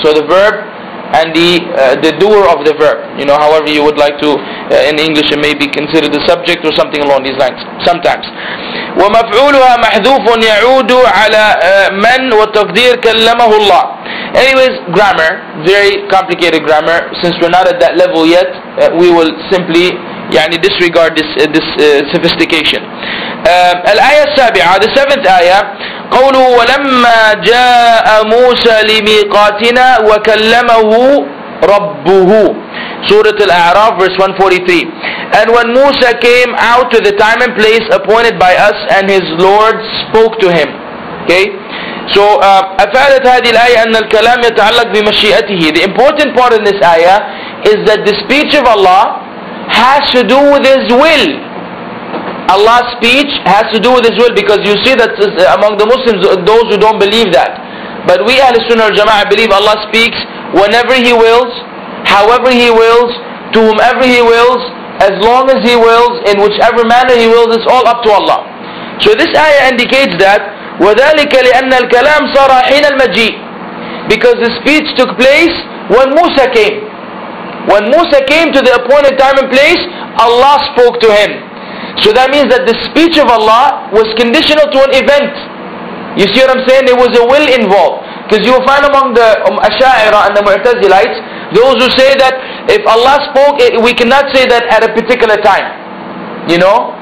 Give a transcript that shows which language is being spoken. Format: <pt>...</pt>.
<en>So the verb and the doer of the verb, you know, however you would like to, in English it may be considered the subject or something along these lines, sometimes.</en> <ar>وَمَفْعُولُهَا مَحْذُوفٌ يَعُودُ عَلَى مَنْ وَتَقْدِيرْ كَلَّمَهُ اللَّهِ.</ar> <en>Anyways, grammar, very complicated grammar. Since we're not at that level yet, we will simply</en> <ar>يعني</ar> <en>disregard this sophistication.</en> <ar>الآية السابعة,</ar> <en>the seventh ayah,</en> <ar>قوله ولما جاء موسى لميقاتنا وكلمه ربه. سورة الأعراف</ar> <en>verse 143. And when Musa came out to the time and place appointed by us, and his Lord spoke to him. Okay.</en> <ar>So أفادت هذه الآية أن الكلام يتعلق بمشيئته.</ar> <en>The important part in this ayah is that the speech of Allah has to do with his will. Allah's speech has to do with his will, because you see that among the Muslims, those who don't believe that. But we Ahl-Sunnah al-Jama'ah believe Allah speaks whenever he wills, however he wills, to whomever he wills, as long as he wills, in whichever manner he wills, it's all up to Allah. So this ayah indicates that,</en> <ar>وَذَلِكَ لِأَنَّ الْكَلَامِ صَرَى حِينَ الْمَجِيءِ.</ar> <en>Because the speech took place when Musa came. When Musa came to the appointed time and place, Allah spoke to him. So that means that the speech of Allah was conditional to an event. You see what I'm saying? There was a will involved. Because you will find among the Asha'ira and the Mu'tazilites, those who say that if Allah spoke, we cannot say that at a particular time. You know?</en>